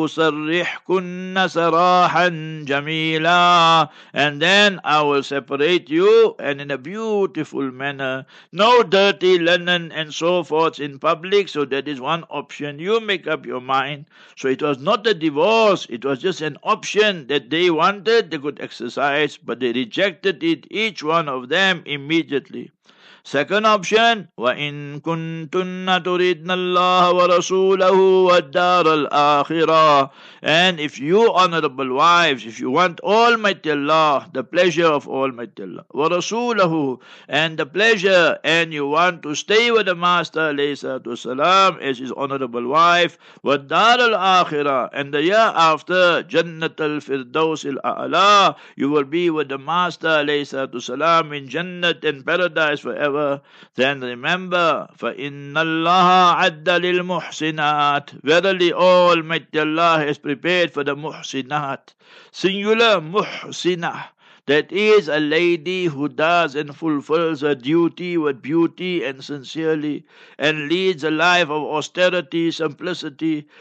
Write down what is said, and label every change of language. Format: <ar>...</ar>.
<ar>وَأُسَرِّحْكُنَّ سَرَاحًا جَمِيلًا,</ar> <en>and then I will separate you, and in a beautiful manner. No dirty linen and so forth in public, so that is one option. You make up your mind. So it was not a divorce, it was just an option that they wanted, they could exercise, but they rejected it, each one of them, immediately. Second option,</en> <ar>وَإِن كُنْتُنَّ تُرِدْنَ اللَّهَ وَرَسُولَهُ وَالدَّارَ الْآخِرَةِ.</ar> <en>And if you, honorable wives, if you want Almighty Allah, the pleasure of Almighty Allah, وَرَسُولَهُ, and the pleasure, and you want to stay with the Master, عليه الصلاة والسلام, as his honorable wife,</en> <ar>وَالدَّارَ الْآخِرَةِ,</ar> <en>and the year after,</en> <ar>جَنَّةَ الْفِرْدَوْسِ الْأَعْلَى,</ar> <en>you will be with the Master,</en> <ar>عليه الصلاة والسلام,</ar> <en>in Jannah, in paradise forever. Then remember,</en> <ar>فَإِنَّ اللَّهَ عَدَّ لِلْمُحْسِنَاتِ.</ar> <en>Verily, Almighty Allah has prepared for the muhsinat. Singular muhsina. That is a lady who does and fulfills her duty with beauty and sincerely, and leads a life of austerity, simplicity.</en>